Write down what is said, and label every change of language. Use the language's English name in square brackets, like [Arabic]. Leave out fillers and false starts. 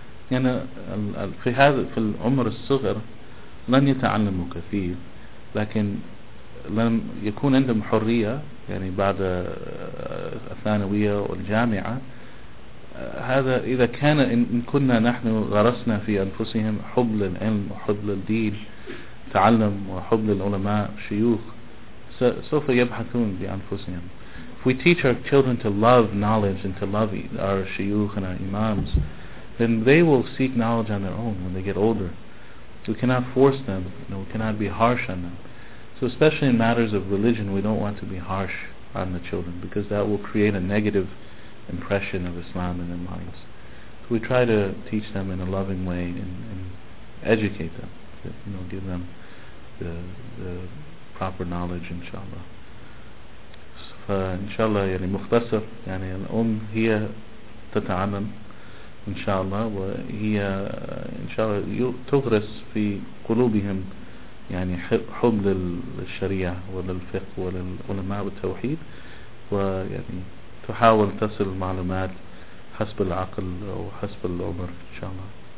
[Arabic] يعني في هذا في العمر الصغر لن يتعلموا كثير لكن لم يكون عندهم حرية يعني بعد الثانوية والجامعة. هذا إذا كان إن كنا نحن غرسنا في أنفسهم حب للعلم وحب للدين تعلم وحب للعلماء شيوخ سوف يبحثون بأنفسهم. [English] If we teach our children to love knowledge and to love our shuyukh and our imams, then they will seek knowledge on their own when they get older. We cannot force them, you know, we cannot be harsh on them. So especially in matters of religion, we don't want to be harsh on the children because that will create a negative impression of Islam in their minds. So we try to teach them in a loving way and educate them, to, you know, give them the proper knowledge, inshallah. [Arabic] فإن شاء الله يعني مختصر يعني الأم هي تتعلم إن شاء الله وهي إن شاء الله تغرس في قلوبهم يعني حب للشريعة وللفقه وللعلماء والتوحيد ويعني تحاول تصل المعلومات حسب العقل أو حسب العمر إن شاء الله.